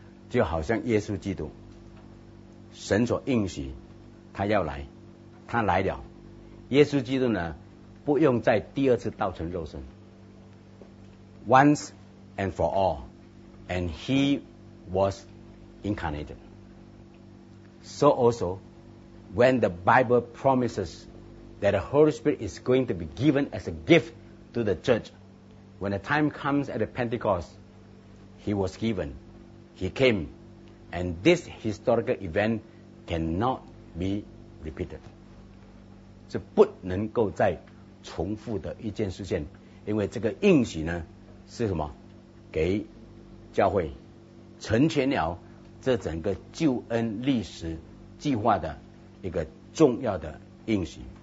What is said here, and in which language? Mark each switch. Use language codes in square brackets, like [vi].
[zh] 就好像耶稣基督，神所应许他要来，他来了，耶稣基督呢不用再第二次道成肉身， [en] once and for all and he was incarnated。 So also, when the Bible promises that the Holy Spirit is going to be given as a gift to the church, when the time comes at the Pentecost, he was given, he came, and this historical event cannot be repeated. [zh] 是不能够再重复的一件事件，因为这个应许呢，是什么？给教会成全了这整个救恩历史计划的一个重要的应许。